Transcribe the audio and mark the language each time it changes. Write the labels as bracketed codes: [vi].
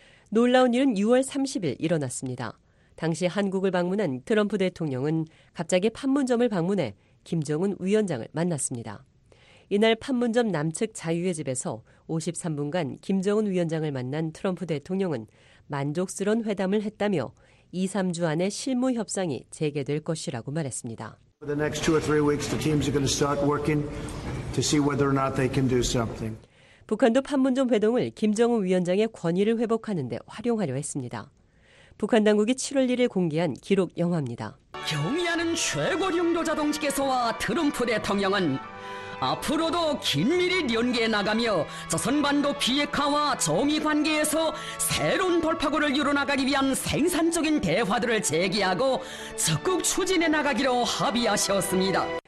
[ko] 놀라운 일은 6월 30일 일어났습니다. 당시 한국을 방문한 트럼프 대통령은 갑자기 판문점을 방문해 김정은 위원장을 만났습니다. 이날 판문점 남측 자유의 집에서 53분간 김정은 위원장을 만난 트럼프 대통령은 만족스러운 회담을 했다며 2, 3주 안에 실무 협상이 재개될 것이라고 말했습니다. [en] The next two or three weeks, the teams are going to start working to see whether or not they can do something. [ko] 북한도 판문점 회동을 김정은 위원장의 권위를 회복하는 데 활용하려 했습니다. 북한 당국이 7월 1일 공개한 기록 영화입니다. 경의하는 최고 영도자 동지께서와 트럼프 대통령은 앞으로도 긴밀히 연계해 나가며 조선반도 비핵화와 조미 관계에서 새로운 돌파구를 이뤄나가기 위한 생산적인 대화들을 제기하고 적극 추진해 나가기로 합의하셨습니다.